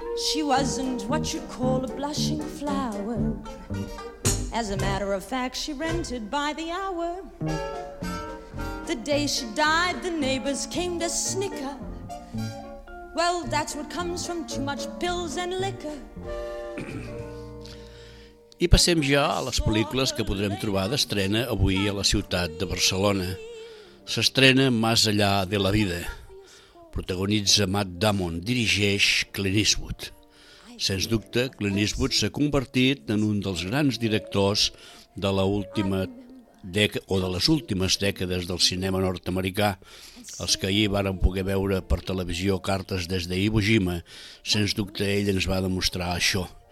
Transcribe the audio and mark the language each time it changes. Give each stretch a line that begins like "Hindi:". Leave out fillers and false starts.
English: She wasn't what you'd call a blushing flower. As a matter of fact, she rented by the hour. The day she died, the neighbors came to snicker. Well, that's what comes from too much pills and liquor.
Catalan: I passem ja a les pel·lícules que podrem trobar d'estrena avui a la ciutat de Barcelona. S'estrena Más allá de la vida. Protagonitza Matt Damon, dirigeix Clint Eastwood. Sens dubte, Clint Eastwood s'ha convertit en un dels grans directors de l'última o de les últimes dècades del cinema nord-americà. Els que ahir varen poder veure per televisió cartes des d'Iwo Jima, sens dubte ell ens va demostrar això.